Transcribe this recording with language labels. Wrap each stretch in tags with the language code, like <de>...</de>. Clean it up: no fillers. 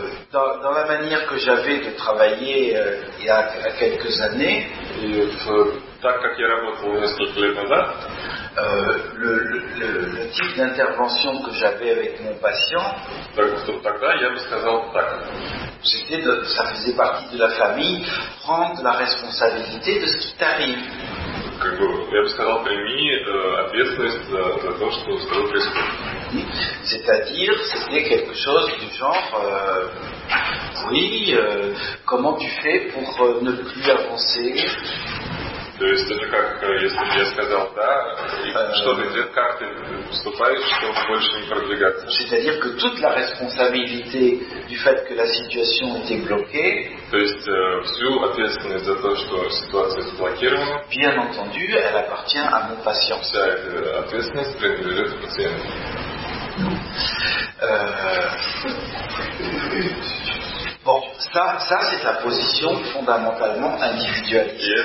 <fr>Dans la manière que j'avais de travailler il y a quelques années, le type d'intervention que j'avais avec mon patient, ça faisait partie de la famille, prendre la responsabilité de ce qui t'arrive.</fr> <ru>Как бы, я бы сказал, прими ответственность за то, что с тобой происходит.</ru> <fr>C'est-à-dire, c'était quelque chose du genre, comment tu fais pour ne plus avancer?</fr> <ru>То есть, это как, если бы я сказал да, что ты делаешь, как ты вступаешь, чтобы больше не продвигаться?</ru> <fr>C'est-à-dire que toute la responsabilité du fait que la situation était bloquée.</fr> <ru>То есть, всю ответственность за то, что ситуация заблокирована.</ru> <fr>Bien entendu, elle appartient à mon patient.</fr> <ru>Вся эта ответственность принадлежит пациенту.</ru> <fr>Bon, ça c'est la position fondamentalement individualiste.</fr>